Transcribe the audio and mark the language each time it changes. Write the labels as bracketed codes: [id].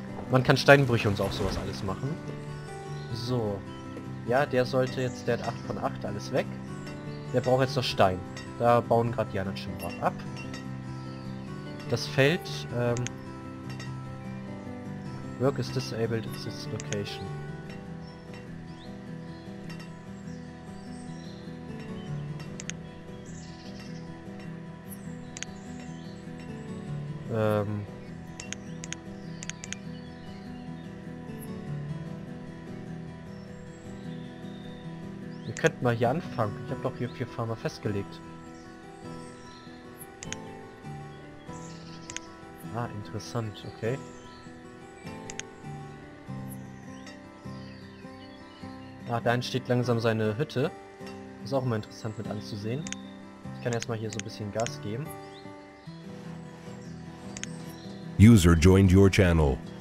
[de] Man kann Steinbrüche und so auch sowas alles machen. So. Ja, der sollte jetzt, der hat 8 von 8, alles weg. Der braucht jetzt noch Stein. Da bauen gerade die anderen schon was ab. Das Feld, [en] Work is disabled at this location. [de] Ihr könnt mal hier anfangen. Ich habe doch hier 4 Farmer festgelegt. Ah, interessant. Okay. Ah, da entsteht langsam seine Hütte. Ist auch immer interessant mit anzusehen. Ich kann erstmal hier so ein bisschen Gas geben. [en] User joined your channel.